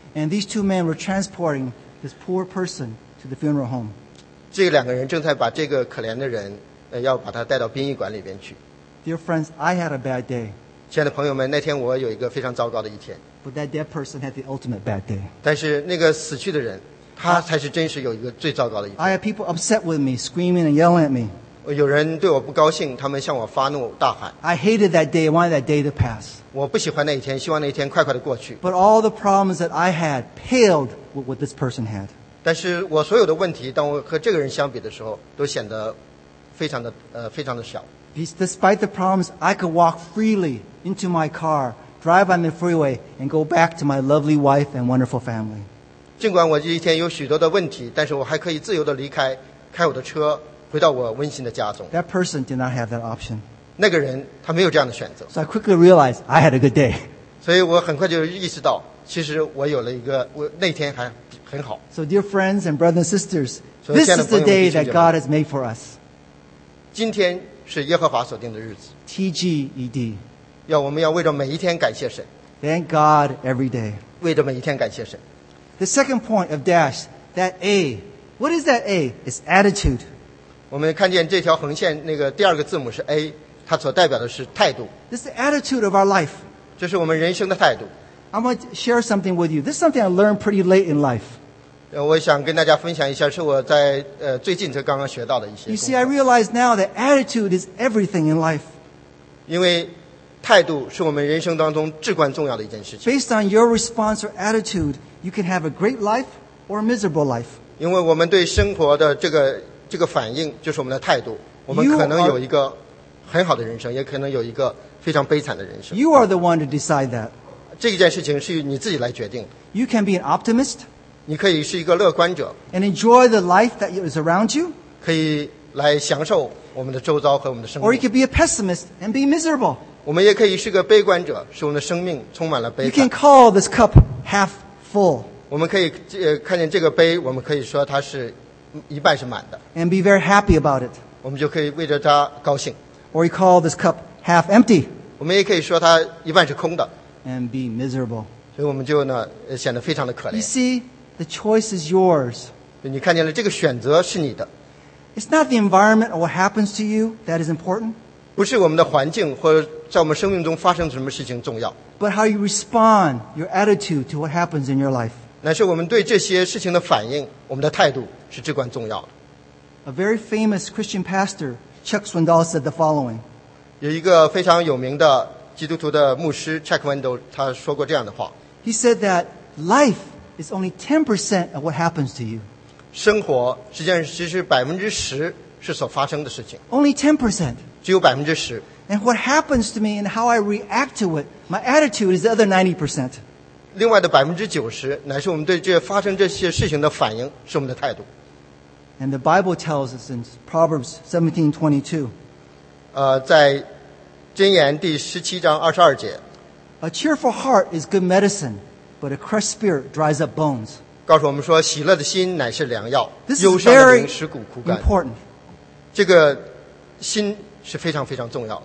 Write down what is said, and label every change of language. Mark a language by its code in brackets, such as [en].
[en] And these two men were transporting this poor person to the funeral home. [zh] 这两个人正在把这个可怜的人要把他带到殡仪馆里边去。 [en] Dear friends, I had a bad day. [zh] 亲爱的朋友们，那天我有一个非常糟糕的一天。 [en] But that dead person had the ultimate bad day. [zh] 但是那个死去的人，他才是真实有一个最糟糕的一天。 [en] I had people upset with me, screaming and yelling at me. [zh] 有人对我不高兴，他们向我发怒，大喊。 [en] I hated that day, wanted that day to pass. [zh] 我不喜欢那一天，希望那一天快快的过去。 [en] But all the problems that I had paled with what this person had. [zh] 但是我所有的问题，当我和这个人相比的时候，都显得非常的小。 [en] Despite the problems, I could walk freely into my car, drive on the freeway, and go back to my lovely wife and wonderful family. [zh] 尽管我这一天有许多的问题，但是我还可以自由地离开，开我的车，回到我温馨的家中。 [en] That person did not have that option. [zh] 那个人他没有这样的选择。 [en] So I quickly realized I had a good day. [zh] 所以我很快就意识到，其实我有了一个，我那天还很好。 [en] So dear friends and brothers and sisters, this is the day that God has made for us. [zh] 今天是耶和华所定的日子。 [en] TGED. [zh] 要我们要为着每一天感谢神。 [en] Thank God every day. [zh] 为着每一天感谢神。 [en] The second point of dash, that A, what is that A? It's attitude. [zh] 我们看见这条横线那个第二个字母是 A, 它所代表的是态度。 [en] This is the attitude of our life. [zh] 这是我们人生的态度。 [en] I want to share something with you. This is something I learned pretty late in life. [zh] 我想跟大家分享一下，是我在最近才刚刚学到的一些。 [en] You see, I realize now that attitude is everything in life. [zh] 因为态度是我们人生当中至关重要的一件事情。 [en] Based on your response or attitude, you can have a great life or a miserable life. [zh] 因为我们对生活的这个反应就是我们的态度。我们可能有一个很好的人生，也可能有一个非常悲惨的人生。 [en] You are the one to decide that. [zh] 这一件事情是你自己来决定的。 [en] You can be an optimist. [zh] 你可以是一个乐观者。 [en] And enjoy the life that is around you. [zh] 可以来享受我们的周遭和我们的生命。 [en] Or you can be a pessimist and be miserable. [zh] 我们也可以是个悲观者，使我们的生命充满了悲惨。 [en] You can call this cup half full. [zh] 我们可以看见这个杯，我们可以说它是一半是满的。 [en] And be very happy about it. [zh] 我们就可以为着它高兴。 [en] Or you call this cup half empty. [zh] 我们也可以说它一半是空的。 [en] And be miserable. [zh] 所以我们就呢，显得非常的可怜。 [en] You see, the choice is yours. [zh] 你看见了，这个选择是你的。 [en] It's not the environment or what happens to you that is important. [zh] 不是我们的环境或者在我们生命中发生什么事情重要。 [en] But how you respond, your attitude to what happens in your life. [zh] 乃是我们对这些事情的反应，我们的态度是至关重要的。 [en] A very famous Christian pastor, Chuck Swindoll, said the following. [zh] 有一个非常有名的。基督徒的牧师 Chuck Swindoll 他说过这样的话。 [en] He said that life is only 10% of what happens to you. [zh] 生活实际上其实10%是所发生的事情。 [en] Only 10%. [zh] 只有10%。 [en] And what happens to me and how I react to it, my attitude is the other 90%. [zh] 另外的90%乃是我们对这发生这些事情的反应，是我们的态度。 [en] And the Bible tells us in Proverbs 17:22. [zh] 在箴言第十七章二十二节。 [en] A cheerful heart is good medicine, but a crushed spirit dries up bones. [zh] 告诉我们说，喜乐的心乃是良药。 [en] This is very important. [zh] 这个心是非常非常重要。